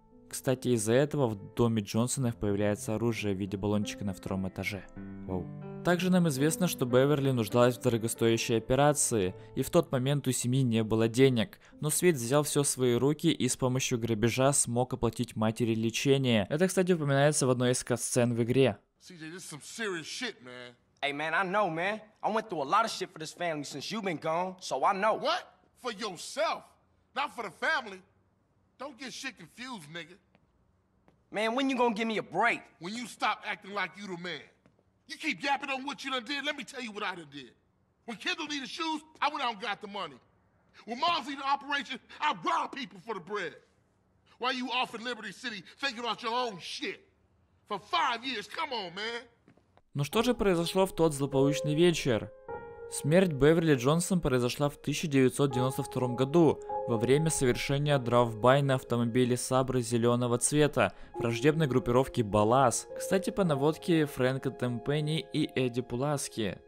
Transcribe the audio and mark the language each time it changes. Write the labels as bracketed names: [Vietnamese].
[Russian] Кстати, из-за этого в доме Джонсонов появляется оружие в виде баллончика на втором этаже. Воу. Также нам известно, что Беверли нуждалась в дорогостоящей операции, и в тот момент у семьи не было денег. Но Свит взял все в свои руки и с помощью грабежа смог оплатить матери лечение. Это, кстати, упоминается в одной из катсцен в игре. [English] CJ, this is some serious shit, man. Hey, man, I know, man. I went through a lot of shit for this family since you've been gone, so I know. What? For yourself? Not for the family? Don't get shit confused, nigga. Man, when you gonna give me a break? When you stop acting like you the man. You keep yapping on what you done did, let me tell you what I done did. When Kendall needed shoes, I went out and got the money. When Mom's needed an operation, I robbed people for the bread. While you off in Liberty City thinking about your own shit. For 5 years, come on, man. [Russian] Ну что же произошло в тот злополучный вечер? Смерть Беверли Джонсон произошла в 1992 году, во время совершения драйв-бай на автомобиле Сабры зеленого цвета, враждебной группировки Балас. Кстати, по наводке Фрэнка Темпенни и Эдди Пуласки.